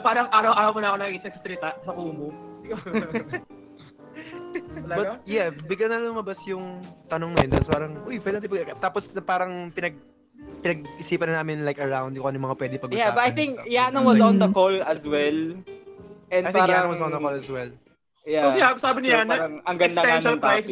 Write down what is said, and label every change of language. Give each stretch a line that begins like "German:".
Filipino: Parang araw-araw mo na ako nag-isip sa trita sa Kumu.
English: But yeah,
Filipino: bigla na lang mabas yung tanong na yun. Tapos parang, uy, pwede natin pag-isip. Tapos parang pinag-isipan na namin
English: like around
Filipino: kung ano yung mga pwede pag-usapan.
English: Yeah, but I think Yano was on the call as well. And I think Yano was on the call as well. Yeah. So, yeah,
Filipino: sabi niya, ang ganda nga ng topic.